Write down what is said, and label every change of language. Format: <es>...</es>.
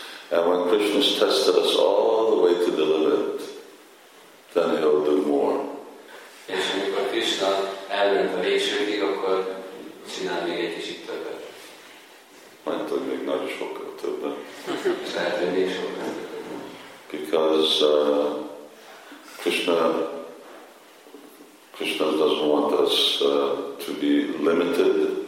<en>And when Krishna's tested us all the way to the limit, then he'll do more.</en> <hu>És amikor Krishna elment a végsőkig, akkor csinál még egy kicsit többet. Majd, hogy még nagyon sokkal többet. Lehet, hogy még sokkal többet.</hu> <en>Because Krishna doesn't want us to be limited.</en>